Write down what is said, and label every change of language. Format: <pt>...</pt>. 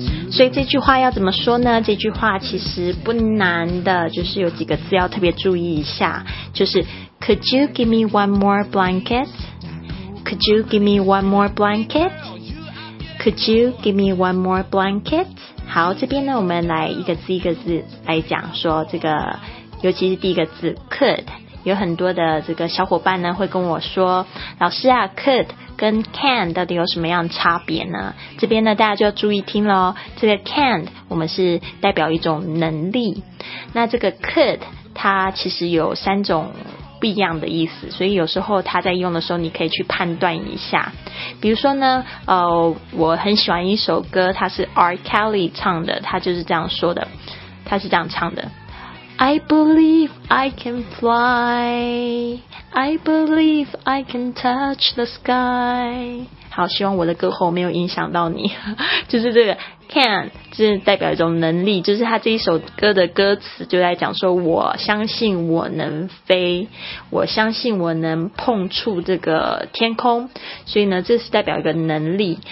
<zh>所以这句话要怎么说呢？这句话其实不难的，就是有几个字要特别注意一下，就是</zh> <en>Could you give me one more blanket? Could you give me one more blanket? Could you give me one more blanket?</en> <zh>好，这边呢我们来一个字一个字来讲，说这个尤其是第一个字 could， 有很多的这个小伙伴呢会跟我说，老师啊 could跟 can 到底有什么样的差别呢？这边呢大家就要注意听咯，这个 can 我们是代表一种能力，那这个 could 它其实有三种不一样的意思，所以有时候它在用的时候你可以去判断一下。比如说呢我很喜欢一首歌，它是 R. Kelly 唱的，它就是这样说的，它是这样唱的，</zh> <en>I believe I can flyI believe I can touch the sky。</en> <zh>好，希望我的歌喉没有影响到你。就是这个 can 就是代表一种能力，就是他这一首歌的歌词就在讲说，我相信我能飞，我相信我能碰触这个天空，所以呢这是代表一个能力。</zh>